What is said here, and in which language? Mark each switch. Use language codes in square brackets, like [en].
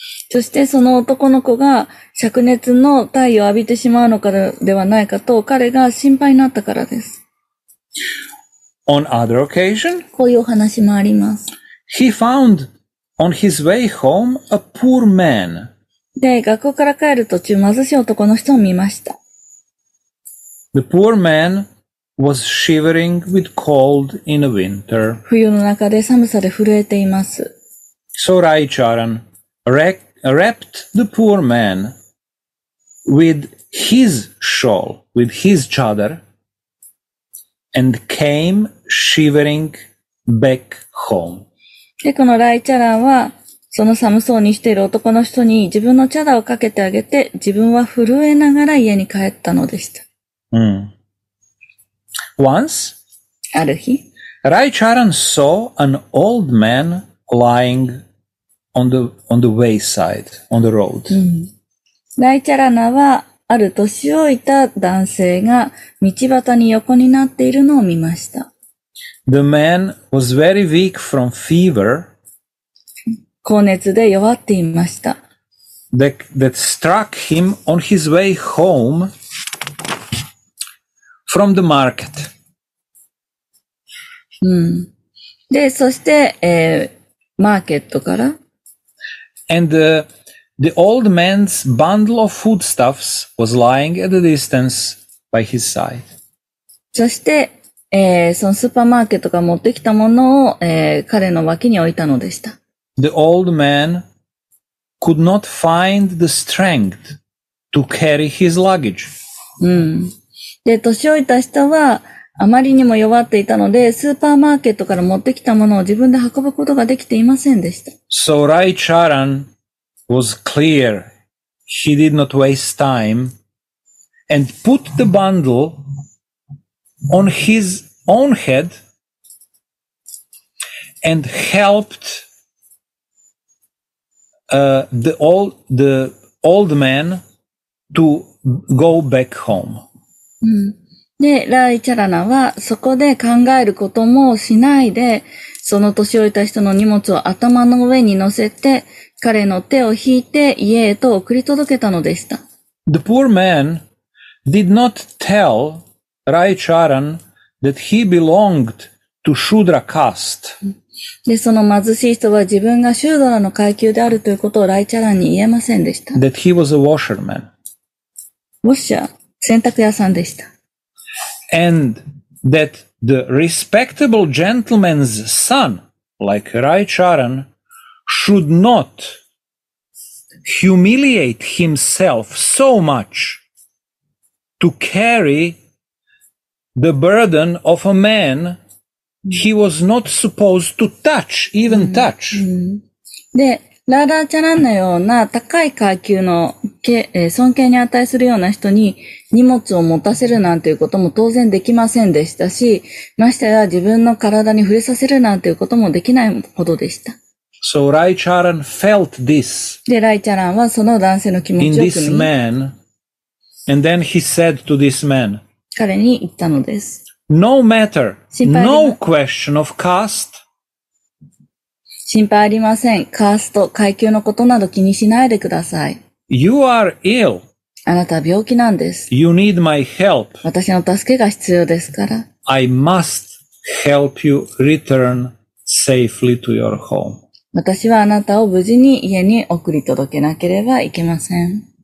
[ja] そしてその男の子が灼熱の太陽を浴びてしまうのかではないかと彼が心配になったからです。 [en] On other occasion, [ja] こういうお話もあります。 [en] He found on his way home a poor man. [ja] で、学校から帰る途中貧しい男の人を見ました。 [en] The poor man was shivering with cold in the winter. [ja] 冬の中で寒さで震えています。 [en] So Raicharan wrapped the poor man with his shawl, with his chadar, and came shivering back home. [ja] で、このRaicharanはその寒そうにしている男の人に自分のチャダをかけてあげて、自分は震えながら家に帰ったのでした。 [en] Once, [ja] ある日、 [en] Raicharan saw an old man lying on the wayside, on the road. [ja] Raicharan はある年老いた男性が道端に横になっているのを見ました。 [en] The man was very weak from fever. [ja] 高熱で弱っていました。 [en] That struck him on his way home from the market. [ja] で、そして、マーケットから。 [en] And the old man's bundle of foodstuffs was lying at a distance by his side. [ja] そして、そのスーパーマーケットが持ってきたものを、彼の脇に置いたのでした。 [en] The old man could not find the strength to carry his luggage. [ja] で、年老いた人はあまりにも弱っていたので、スーパーマーケットから持ってきたものを自分で運ぶことができていませんでした。 [en] So Raicharan was clear he did not waste time and put the bundle on his own head and helped the old man to go back home. [ja] で、ライチャラナはそこで考えることもしないで、その年老いた人の荷物を頭の上に乗せて、彼の手を引いて家へと送り届けたのでした。 [en] The poor man did not tell Raicharan that he belonged to Shudra caste. [ja] で、その貧しい人は自分がシュードラの階級であるということをライチャランに言えませんでした。 [en] That he was a washerman. [ja] ウォッシャー、洗濯屋さんでした。 [en] And that the respectable gentleman's son, like Raicharan, should not humiliate himself so much to carry the burden of a man he was not supposed to touch, even touch. [ja] で、ラダーチャランのような高い階級の尊敬に値するような人に荷物を持たせるなんていうことも当然できませんでしたし、ましてや自分の体に触れさせるなんていうこともできないほどでした。 [en] So Raicharan felt this. [ja] で、ライチャランはその男性の気持ちを組み。 [en] In this man, and then he said to this man. [ja] 彼に言ったのです。 [en] No matter, no question of caste. [ja] 心配ありません。カースト、階級のことなど気にしないでください。 [en] You are ill. [ja] あなたは病気なんです。 [en] You need my help. [ja] 私の助けが必要ですから。 [en] I must help you return safely to your home. [ja] 私はあなたを無事に家に送り届けなければいけません。